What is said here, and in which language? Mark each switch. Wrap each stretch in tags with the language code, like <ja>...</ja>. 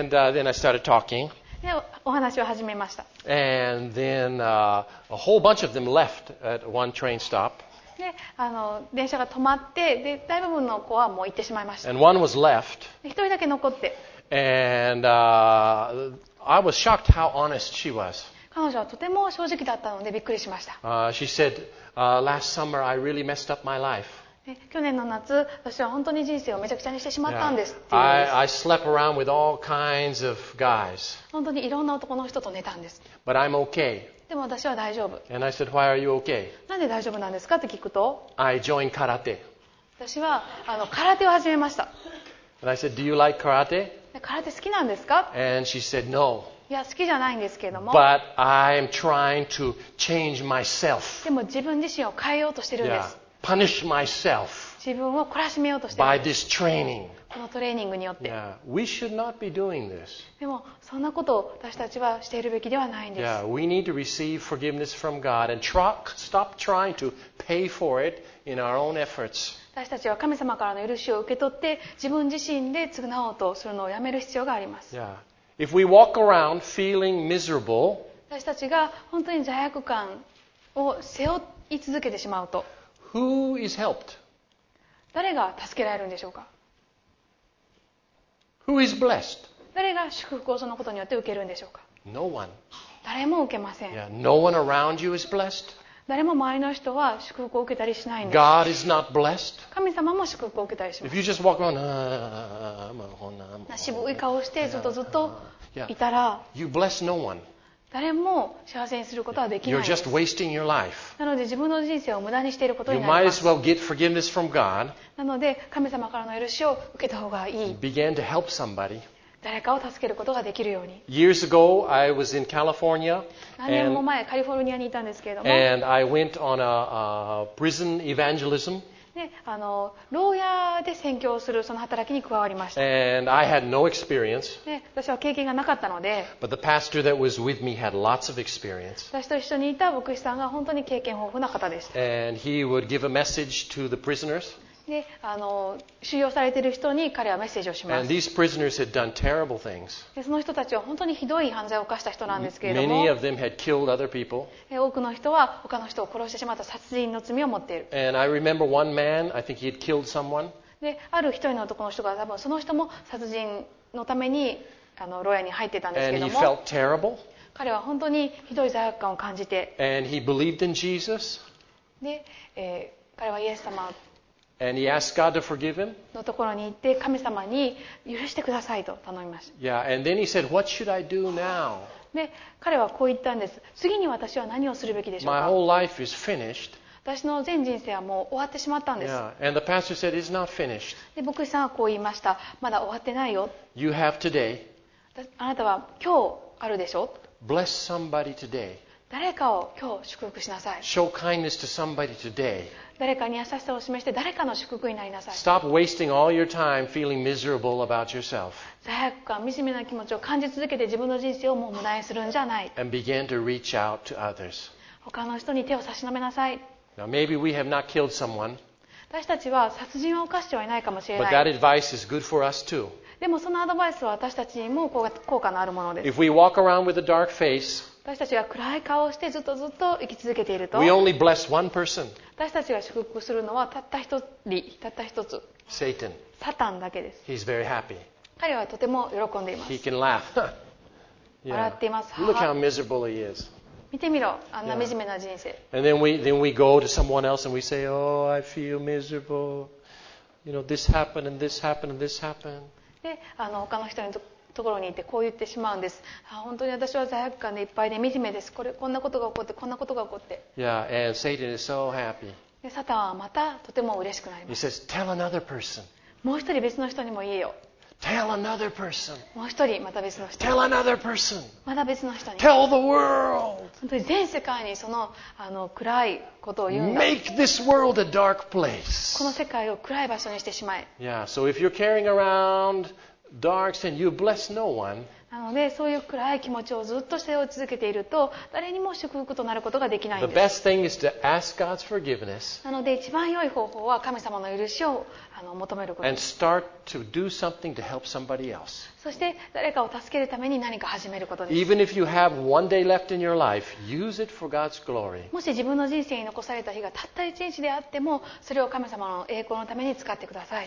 <en>And then I started talking.</en> <ja>お話を始めました。</ja> <en>And then, a whole bunch of them left at one train stop.</en> <ja>で、電車が止まって、で、大部分の子はもう行ってしまいました。</ja> <en>And one was left.</en> <ja>一人だけ残って。</ja> <en>And, I was shocked how honest she was.</en> <ja>彼女はとても正直だったのでびっくりしました。</ja> <en>She said, last summer I really messed up my life.</en> <ja>去年の夏、私は本当に人生をめちゃくちゃにしてしまったんです。</ja> <en>I slept around with all kinds of guys.</en> <ja>本当にいろんな男の人と寝たんです。</ja> <en>But I'm okay.</en> <ja>でも私は大丈夫。</ja> <en>And I said, why are you okay?</en> <ja>なんで大丈夫なんですかって聞くと、</ja> <en>I joined karate.</en> <ja>私は空手を始めました。</ja> <en>And I said, do you like karate?</en> <ja>で、空手好きなんですか?</ja> <en>And she said, no.</en> <ja>いや、好きじゃないんですけども。</ja> <en>But I'm trying to change myself.</en> <ja>でも自分自身を変えようとしてるんです。</ja> <en>Yeah. Punish myself.</en> <ja>自分を懲らしめようとしてるんです。</ja> <en>By this training.</en> <ja>このトレーニングによって。</ja> <en>Yeah. We should not be doing this.</en> <ja>でもそんなことを私たちはしているべきではないんです。</ja> <en>Yeah. We need to receive forgiveness from God and stop trying to pay for it in our own efforts.</en> <ja>私たちは神様からの許しを受け取って自分自身で償おうとするのをやめる必要があります。</ja> <en>Yeah. If we walk around feeling miserable,</en> <ja>私たちが本当に罪悪感を背負い続けてしまうと、</ja> <en>Who is helped?</en> <ja>誰が助けられるんでしょうか。</ja> <en>Who is blessed?</en> <ja>誰が祝福をそのことによって受けるんでしょうか。</ja> <en>No one.</en> <ja>誰も受けません。</ja> <en>Yeah. No one around you is blessed.</en> <ja>誰も周りの人は祝福を受けたりしないんです。</ja> <en>God is not blessed.</en> <ja>神様も祝福を受けたりします。</ja> <en>If you just walk around,</en> <ja>渋い顔をしてずっといたら、</ja> <en>You bless no one.</en> <ja>誰も幸せにすることはできないんです。</ja> <en>You're just wasting your life.</en> <ja>なので自分の人生を無駄にしていることになります</ja> <en>。You might as well get forgiveness from God.</en> <ja>なので神様からの許しを受けた方がいい。</ja> <en>Begin to help somebody.</en> <ja>誰かを助けることができるように。</ja> <en>Years ago, I was in California.</en> <ja>何年も前、カリフォルニアにいたんですけれども。</ja> <en>And I went on a prison evangelism.</en> <ja>で、牢屋で宣教するその働きに加わりました。</ja> <en>And I had no experience.</en> <ja>で、私は経験がなかったので。</ja> <en>But the pastor that was with me had lots of experience.</en> <ja>私と一緒にいた牧師さんが本当に経験豊富な方でした。</ja> <en>And he would give a message to the prisoners.</en> <ja>で収容されている人に彼はメッセージをします。</ja> <en>And these prisoners had done terrible things.</en> <ja>でその人たちは本当にひどい犯罪を犯した人なんですけれども。</ja> <en>Many of them had killed other people.</en> <ja>で多くの人は他の人を殺してしまった殺人の罪を持っている。</ja> <en>And I remember one man, I think he had killed someone.</en> <ja>で、ある一人の男の人が多分その人も殺人のために牢屋に入ってたんですけれども。</ja> <en>And he felt terrible.</en> <ja>彼は本当にひどい罪悪感を感じて。</ja> <en>And he believed in Jesus.</en> <ja>で、彼はイエス様</ja> <en>And he asked God to forgive him.</en> <ja>のところに行って神様に許してくださいと頼みました。</ja> <en>Yeah, and then he said, "What should I do now?"</en> <ja>で、彼はこう言ったんです。次に私は何をするべきでしょうか。</ja> <en>My whole life is finished.</en> <ja>私の全人生はもう終わってしまったんです。</ja> <en>Yeah, and the pastor said, "It's not finished."</en> <ja>で、牧師さんはこう言いました。まだ終わってないよ。</ja> <en>You have today.</en> <ja>あなたは今日あるでしょう。</ja> <en>Bless somebody today.</en> <ja>誰かを今日祝福しなさい。</ja> <en>Show kindness to somebody today.</en> <ja>誰かに優しさを示して誰かの祝福になりなさい。</ja> <en>Stop wasting all your time feeling miserable about yourself.</en> <ja>罪悪感、惨めな気持ちを感じ続けて自分の人生をもう無駄にするんじゃない。</ja> <en>And begin to reach out to others.</en> <ja>他の人に手を差し伸べなさい。</ja> <en>Now maybe we have not killed someone.</en> <ja>私たちは殺人を犯してはいないかもしれない。</ja> <en>But that advice is good for us too.</en> <ja>でもそのアドバイスは私たちにも効果のあるものです。</ja> <en>If we walk around with a dark face,</en> <ja>私たちが暗い顔をしてずっと生き続けていると</ja> <en>We only bless one person.</en> <ja>私たちが祝福するのはたった一つ</ja> <en>Satan.</en> <ja>サタンだけです</ja> <en>He's very happy.</en> <ja>彼はとても喜んでいます</ja> <en>He can laugh.</en> <ja>笑っています</ja> <en>Look how miserable he is.</en> <ja>見てみろあんな惨めな人生</ja> <en>And then we go to someone else and we say Oh, I feel miserable. You know, this happened and this happened and this happened.</en> <ja>で、他の人にところにいてこう言ってしまうんです。ああ本当に私は罪悪感でいっぱいで惨めです。こんなことが起こって。</ja> <en>Yeah, and Satan is so happy.</en> <ja>でサタンはまたとても嬉しくなります。</ja> <en>He says, Tell another person.</en> <ja>もう一人別の人にも言えよ。</ja> <en>Tell another person.</en> <ja>もう一人また別の人。</ja> <en>Tell another person.</en> <ja>また別の人に。</ja> <en>Tell the world.</en> <ja>本当に全世界にその暗いことを言うんだ。</ja> <en>Make this world a dark place.</en> <ja>この世界を暗い場所にしてしまえ。</ja> <en>Yeah, so if you're carrying around Dark sin, you bless no one.</en> <ja>なのでそういう暗い気持ちをずっと背負い続けていると誰にも祝福となることができないんです。</ja> <en>The best thing is to ask God's forgiveness.</en> <ja>なので一番良い方法は神様の許しを求めることです。</ja> <en>And start to do something to help somebody else.</en> <ja>そして誰かを助けるために何か始めることです。</ja> <en>Even if you have one day left in your life, use it for God's glory.</en> <ja>もし自分の人生に残された日がたった一日であっても、それを神様の栄光のために使ってください。</ja>